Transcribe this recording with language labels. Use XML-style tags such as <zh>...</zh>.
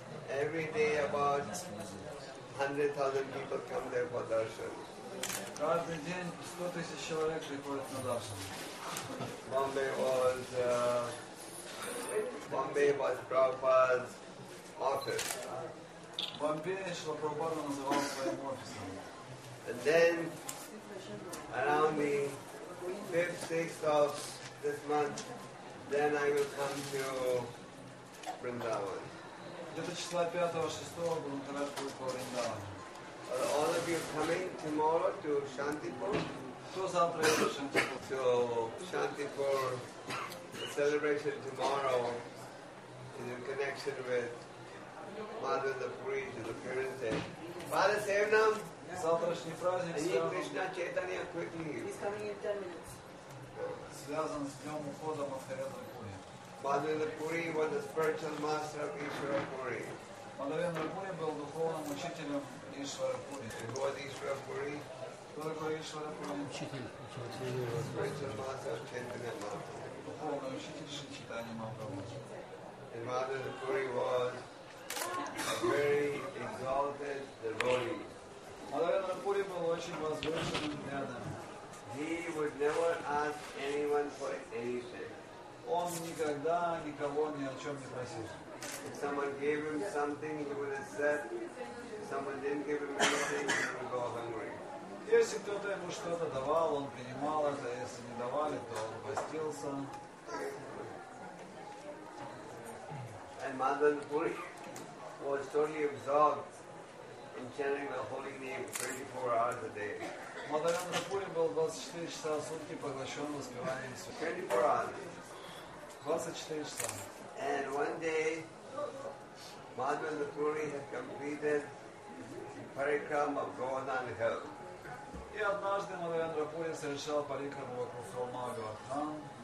<en>every day about 100,000 people come there for darshan.</en> <ru>Каждый день 100 тысяч человек приходит на даршан.</ru> <en>Bombay was Prabhupada's office.</en> <ru>Bombay Шрила Прабхупада называл своим офисом.</ru> <en>And then around the 5th, 6th of this month, then I will come to Vrindavan.</en> <ru>Где-то числа 5-го, 6-го будем ходить по Вриндавану.</ru> <en>Are all of you coming tomorrow to Shantipur?</en> <ru>Кто завтра едет в Шантипур?</ru> <en>So Shantipur, the celebration tomorrow is in connection with Madhava the Purish and the parent day. Father Sevnam?</en> <ru>Завтрашний праздник связан...</ru> <en>Are you Krishna Chaitanya quickly? He's coming in 10 minutes.</en> <ru>Связан с днем ухода Махарадхи Пури.</ru> <en>Madhava Puri was the spiritual master of Ishwara Puri.</en> <ru>Madhava Puri был духовным учителем Ishwara Puri.</ru> <en>Who was Ishwara Puri?</en> <ru>Кто такой Ishwara Puri? Учитель.</ru> <en>Spiritual master of Chaitanya Mahaprabhu.</en> <ru>Духовный учитель Шри Чайтанья Махапрабху.</ru> <en>And Madhava Puri was a very exalted devotee.</en> <ru>Madhava Puri был очень возвышенным рядом.</ru> <en>He would never ask anyone for anything.</en> <ru>Он никогда никого ни о чем не просил.</ru> <en>If someone gave him something, he would accept. If someone didn't give him anything, he would go hungry.</en> <ru>Если кто-то ему что-то давал, он принимал это. Если не давали, то он постился.</ru> <en>And Madhava Puri was totally absorbed in chanting the holy name 24 hours a day.</en> <ru>Madhava Puri был 24 часа в сутки поглощен воспеванием.</ru> <en>24 hours.</en> <ru>24 часа.</ru> <en>And one day, Madhava Puri had completed the parikram of Govardhan Hill.</en> <ru>И однажды Madhava Puri совершал парикраму вокруг холма Говардхан.</ru>